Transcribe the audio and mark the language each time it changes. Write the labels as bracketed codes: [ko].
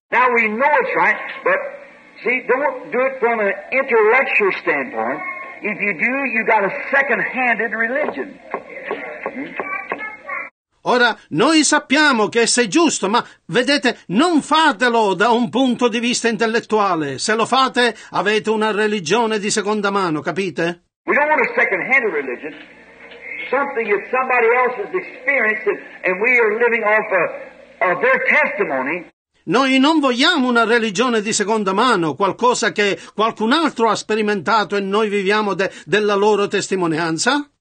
[en] Now we know it's right, but see, don't do it from an intellectual standpoint. If you do, you got a second-handed religion. [it] Ora, noi sappiamo che esso è giusto, ma, vedete, non fatelo da un punto di vista intellettuale. Se lo fate, avete una religione di seconda mano, capite? [en] We don't want a second-hand religion. Something that somebody else has experienced and we are living off of their testimony. [it] Noi non vogliamo una religione di seconda mano, qualcosa che qualcun altro ha sperimentato e noi viviamo della loro testimonianza.